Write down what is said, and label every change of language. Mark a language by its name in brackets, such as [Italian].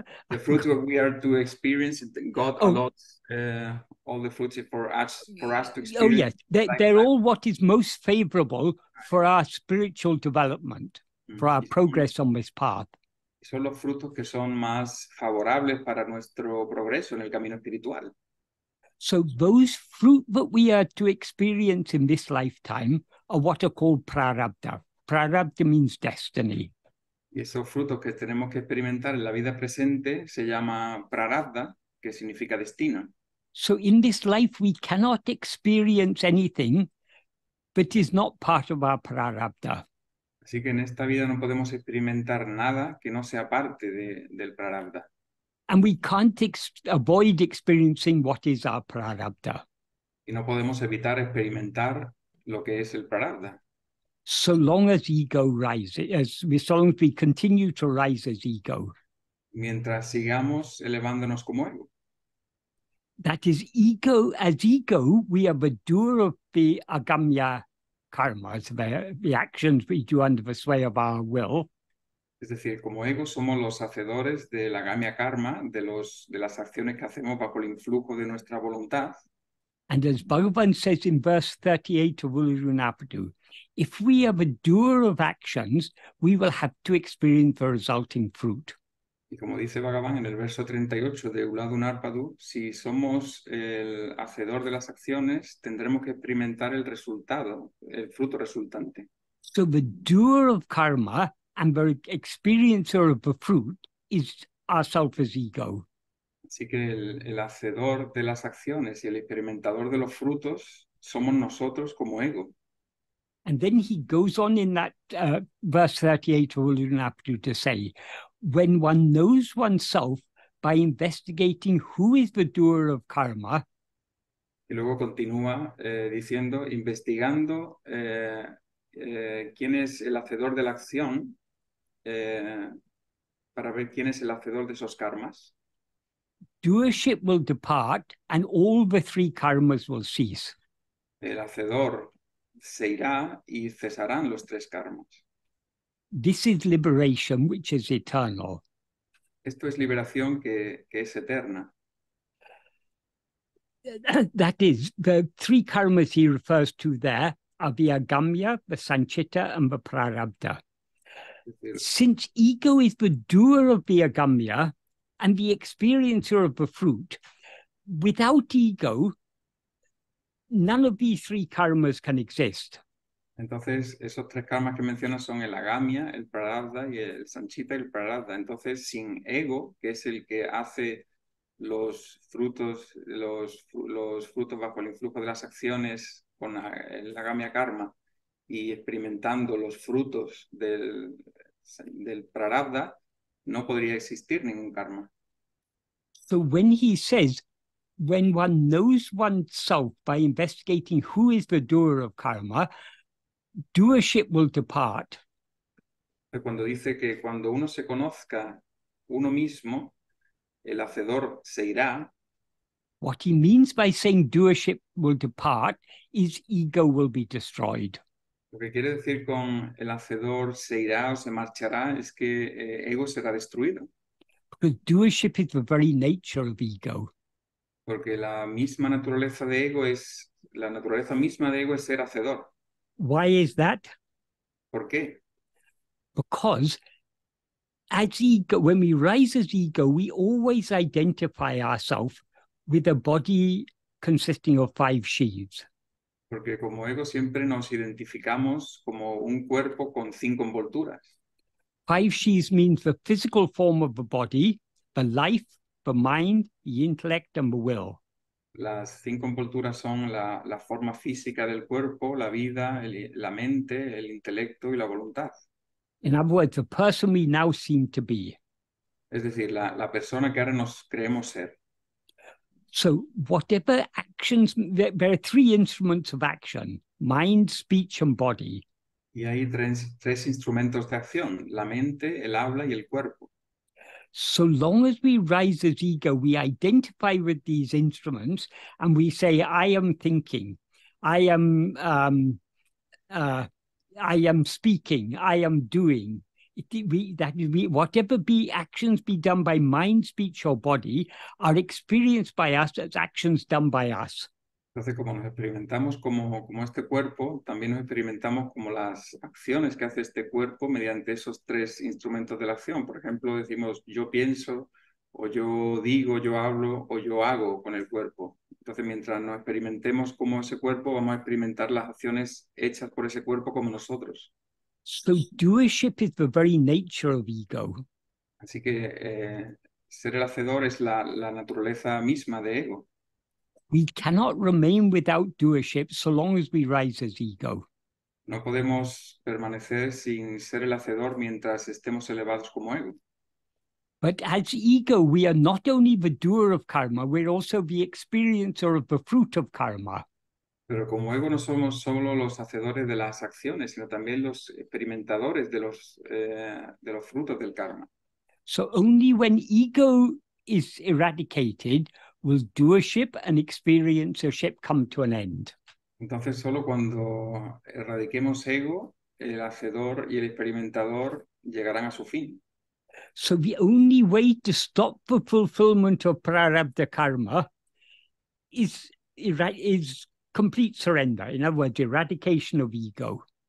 [English] The fruits that we are to experience, God allots all the fruits for us to experience. Oh, yes. They're all what is most favorable for our spiritual development, for our progress on this path. [Spanish] Son los frutos que son más favorables para nuestro progreso en el camino espiritual. [English] So those fruit that we are to experience in this lifetime are what are called prarabdha. Prarabdha means destiny. [Spanish] Y esos frutos que tenemos que experimentar en la vida presente se llama prarabdha, que significa destino. [English] So in this life we cannot experience anything that is not part of our prarabdha. [Spanish] Así que en esta vida no podemos experimentar nada que no sea parte del prarabdha. [English] And we can't avoid experiencing what is our prarabdha. [Spanish] Y no podemos evitar experimentar lo que es el prarabdha. [English] So long as ego rises, so long as we continue to rise as ego. [Spanish] Mientras sigamos elevándonos como ego. [English] That is ego, as ego, we are the doer of the agamya karmas, the actions we do under the sway of our will. [Spanish] Es decir, como ego somos los hacedores de la agamya karma, de las acciones que hacemos bajo el influjo de nuestra voluntad. [English] And as Bhagavan says in verse 38 of Ulurunapadu, if we are the doer of actions, we will have to experience the resulting fruit. [Spanish] Y como dice Bhagavan en el verso 38 de Ulurunapadu, si somos el hacedor de las acciones, tendremos que experimentar el resultado, el fruto resultante. [English] So the doer of karma and the experiencer of the fruit is ourself as ego. [Spanish] Así que el hacedor de las acciones y el experimentador de los frutos somos nosotros como ego. [English] And then he goes on in that verse 38 of Ulurunapadu to say, when one knows oneself by investigating who is the doer of karma. [Spanish] Y luego continúa diciendo, investigando quién es el hacedor de la acción para ver quién es el hacedor de esos karmas. [English] Doership will depart and all the three karmas will cease. [Spanish] El hacedor se irá y cesarán los tres karmas. [English] This is liberation which is eternal. [Spanish] Esto es liberación que es eterna. [English] That is, the three karmas he refers to there are the agamya, the sanchitta, and the prarabdha. Since ego is the doer of the agamya and the experiencer of the fruit, without ego, none of these three karmas can exist. [Spanish] Entonces, esos tres karmas que mencionas son el agamya, el prarabdha y el sanchitta y el prarabdha. Entonces, sin ego, que es el que hace los frutos bajo el influjo de las acciones con el agamya karma y experimentando los frutos del prarabdha, no podría existir ningún karma. [English] So when he says, when one knows oneself by investigating who is the doer of karma, doership will depart. [Spanish] Cuando dice que cuando uno se conozca uno mismo, el hacedor se irá. [English] What he means by saying doership will depart is ego will be destroyed. [Spanish] Lo que quiere decir con el hacedor se irá o se marchará es que ego será destruido. [English] Because doership is the very nature of ego. [Spanish] Porque la misma naturaleza de ego es, la naturaleza misma de ego es ser hacedor. [English] Why is that? [Spanish] ¿Por qué? [English] Because as ego, when we rise as ego, we always identify ourselves with a body consisting of five sheaths. [Spanish] Porque como ego siempre nos identificamos como un cuerpo con cinco envolturas. [English] Five sheaths means the physical form of the body, the life, the mind, the intellect, and the will. [Spanish] Las cinco envolturas son la forma física del cuerpo, la vida, la mente, el intelecto y la voluntad. [English] In other words, the person we now seem to be. [Spanish] Es decir, la persona que ahora nos creemos ser. [English] So whatever actions, there are three instruments of action, mind, speech, and body. [Spanish] Y hay tres instrumentos de acción, la mente, el habla y el cuerpo. [English] So long as we rise as ego, we identify with these instruments and we say, I am thinking, I am speaking, I am doing. Whatever be actions be done by mind, speech or body are experienced by us as actions done by us. [Spanish] Entonces, como nos experimentamos como este cuerpo, también nos experimentamos como las acciones que hace este cuerpo mediante esos tres instrumentos de la acción. Por ejemplo, decimos yo pienso, o yo digo, yo hablo, o yo hago con el cuerpo. Entonces, mientras nos experimentemos como ese cuerpo, vamos a experimentar las acciones hechas por ese cuerpo como nosotros. [English] So doership is the very nature of ego. [Spanish] Así que ser el hacedor es la naturaleza misma de ego. [English] We cannot remain without doership so long as we rise as ego. [Spanish] No podemos permanecer sin ser el hacedor mientras estemos elevados como ego. [English] But as ego, we are not only the doer of karma, we're also the experiencer of the fruit of karma. [Spanish] Pero como ego no somos solo los hacedores de las acciones, sino también los experimentadores de los frutos del karma. [English] So only when ego is eradicated will doership and experiencership come to an end. [Spanish] Entonces, solo cuando erradiquemos ego, el hacedor y el experimentador llegarán a su fin. [English] So the only way to stop the fulfillment of prarabdha karma is complete surrender, in other words, eradication of ego.